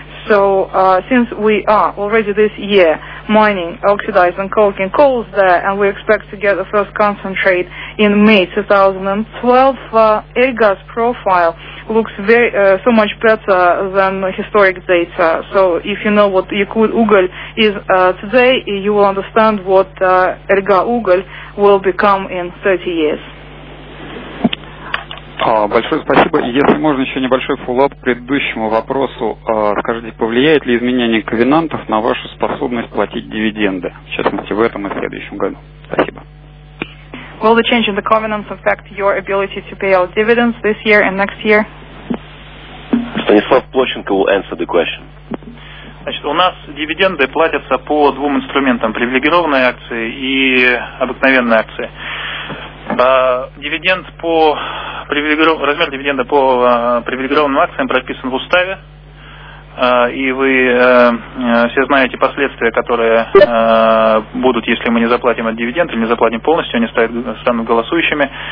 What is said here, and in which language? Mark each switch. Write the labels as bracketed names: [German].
[English] So since we are already this year mining oxidized and coking coals there, and we expect to get the first concentrate in May 2012, Elga's profile looks very so much better than historic data. So if you know what Yakut-Ugl is today, you will understand what Elga-Ugl will become in 30 years. [Russian] Большое спасибо. Если можно, еще небольшой фоллоуап к предыдущему вопросу. Скажите, повлияет ли изменение ковенантов на вашу способность платить дивиденды, в частности, в этом и в следующем году? Спасибо. [English] Will the change in the covenants affect your ability to pay out dividends this year and next year? Станислав Плоченко will answer the question. [Russian] Значит, у нас дивиденды платятся по двум инструментам – привилегированные акции и обыкновенные акции. Размер дивиденда по привилегированным акциям прописан в уставе, и вы все знаете последствия, которые будут, если мы не заплатим этот дивиденд или не заплатим полностью, они станут голосующими.